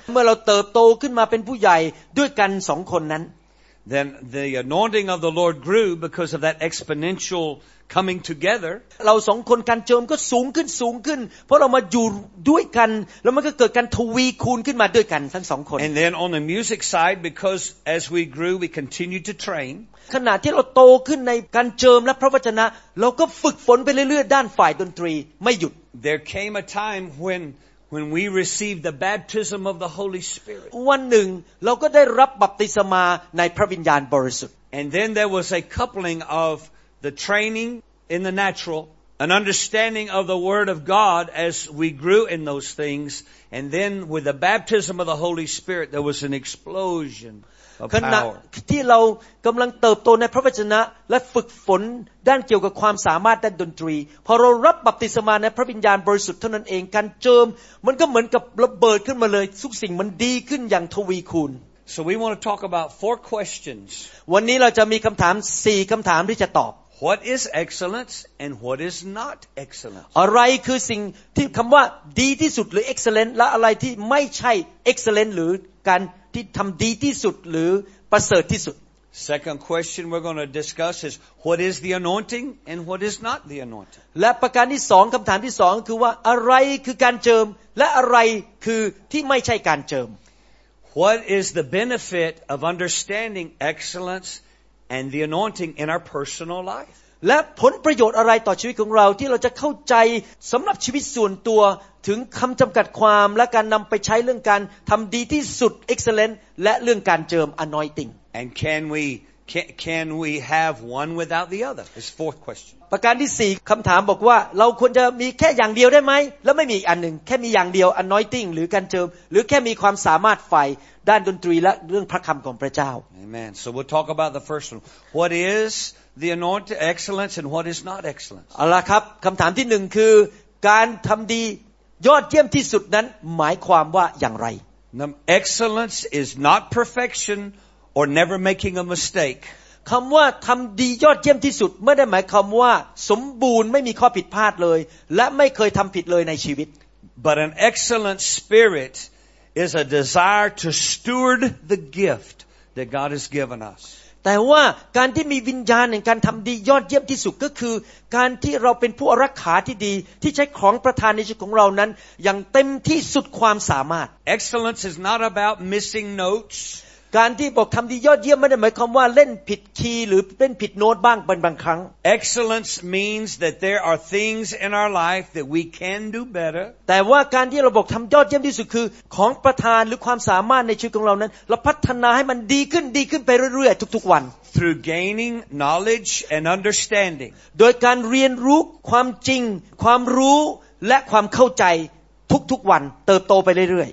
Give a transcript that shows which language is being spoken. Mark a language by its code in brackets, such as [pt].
[th] เมื่อเราเติบโตขึ้นมาเป็นผู้ใหญ่ด้วยกัน2คนนั้น [en] then the anointing of the lord grew because of that exponential coming together [th] เรา2คนการเจิมก็สูงขึ้นสูงขึ้นเพราะเรามาอยู่ด้วยกันแล้วมันก็เกิดการทวีคูณขึ้นมาด้วยกันทั้ง2คน [en] and then on the music side because as we grew we continued to train [th] ขณะที่เราโตขึ้นในการเจิมและพระวจนะเราก็ฝึกฝนไปเรื่อยๆด้านฝ่ายดนตรีไม่หยุด [en] there came a time when we received the baptism of the Holy Spirit [th] วันหนึ่งเราก็ได้รับบัพติศมาในพระวิญญาณบริสุทธิ์ [en] and then there was a coupling ofthe training in the natural an understanding of the word of god as we grew in those things and then with the baptism of the holy spirit there was an explosion of power [th] ขณะที่เรากําลังเติบโตในพระวจนะและฝึกฝนด้านเกี่ยวกับความสามารถด้านดนตรีพอเรารับบัพติศมาในพระวิญญาณบริสุทธิ์เท่านั้นเองการเจิมมันก็เหมือนกับระเบิดขึ้นมาเลยทุกสิ่งมันดีขึ้นอย่างทวีคูณ [en] So we want to talk about four questions. [th] วันนี้เราจะมีคำถาม4คำถามที่จะตอบ [en] What is excellence and what is not excellence? [th] อะไรคือสิ่งที่คำว่าดีที่สุดหรือ excellent และอะไรที่ไม่ใช่ excellent หรือการที่ทำดีที่สุดหรือประเสริฐที่สุด [en] Second question we're going to discuss is what is the anointing and what is not the anointing? [th] และประการที่สองคำถามที่สองคือว่าอะไรคือการเจิมและอะไรคือที่ไม่ใช่การเจิม [en] What is the benefit of understanding excellenceAnd the anointing in our personal life. [th] และผลประโยชน์อะไรต่อชีวิตของเราที่เราจะเข้าใจสำหรับชีวิตส่วนตัวถึงคำจำกัดความและการนำไปใช้เรื่องการทำดีที่สุด excellent และเรื่องการเจิม anointing. [en] And can we have one without the other? It's fourth question. [th] ประการที่สี่คำถามบอกว่าเราควรจะมีแค่อย่างเดียวได้ไหมแล้วไม่มีอีกอันหนึ่งแค่มีอย่างเดียว anointing หรือการเจิมหรือแค่มีความสามารถฝ่ายด้านดนตรีและเรื่องพระคำของพระเจ้า [en] Amen. So we'll talk about the first one. What is the anointing excellence and what is not excellence? [th] เอาละครับคำถามที่หนึ่งคือการทำดียอดเยี่ยมที่สุดนั้นหมายความว่าอย่างไร [en] Excellence is not perfection or never making a mistake. [th] คำว่าทำดียอดเยี่ยมที่สุดไม่ได้หมายความว่าสมบูรณ์ไม่มีข้อผิดพลาดเลยและไม่เคยทำผิดเลยในชีวิต [en] But an excellent spiritis a desire to steward the gift that God has given us. [th] แต่ว่าการที่มีวิญญาณในการทำดียอดเยี่ยมที่สุดก็คือการที่เราเป็นผู้รักษาที่ดีที่ใช้ของประทานในชีวิตของเรานั้นอย่างเต็มที่สุดความสามารถ [en] Excellence is not about missing notes. [th] การที่บอกทำดียอดเยี่ยมไม่ได้หมายความว่าเล่นผิดคีย์หรือเล่นผิดโน้ตบ้างบางครั้ง [en] Excellence means that there are things in our life that we can do better. [th] แต่ว่าการที่เราบอกทำยอดเยี่ยมที่สุดคือของประทานหรือความสามารถในชีวิตของเรานั้นเราพัฒนาให้มันดีขึ้นไปเรื่อยๆทุกๆวัน [en] through gaining knowledge and understanding [th] โดยการเรียนรู้ความจริงความรู้และความเข้าใจทุกๆวันเติบโตไปเรื่อย